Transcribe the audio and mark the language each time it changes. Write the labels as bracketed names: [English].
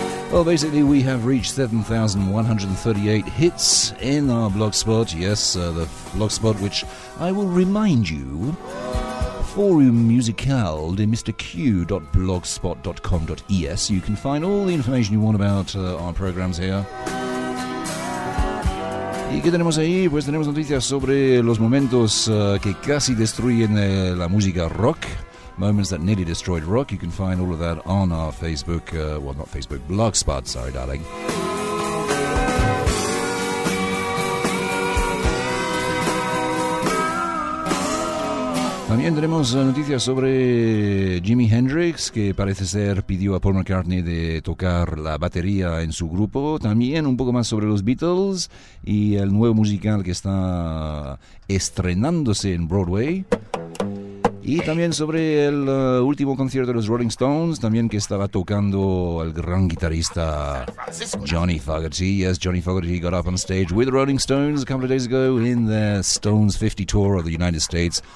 [English] Well, basically, we have reached 7,138 hits in our Blogspot. Yes, the Blogspot, which I will remind you, Forum Musical de MrQ.blogspot.com.es. You can find all the information you want about our programs here. [Spanish] ¿Y qué tenemos ahí? Pues tenemos noticias sobre los momentos que casi destruyen la música rock. [English] Moments that nearly destroyed rock. You can find all of that on our Facebook, well, not Facebook, Blogspot, sorry, darling. [Spanish] También tenemos noticias sobre Jimi Hendrix, que parece ser pidió a Paul McCartney de tocar la batería en su grupo. También un poco más sobre los Beatles y el nuevo musical que está estrenándose en Broadway. Y también sobre el último concierto de los Rolling Stones, también que estaba tocando el gran guitarrista Johnny Fogerty. [English] Yes, Johnny Fogerty got up on stage with the Rolling Stones a couple of days ago in their Stones 50 tour of the United States.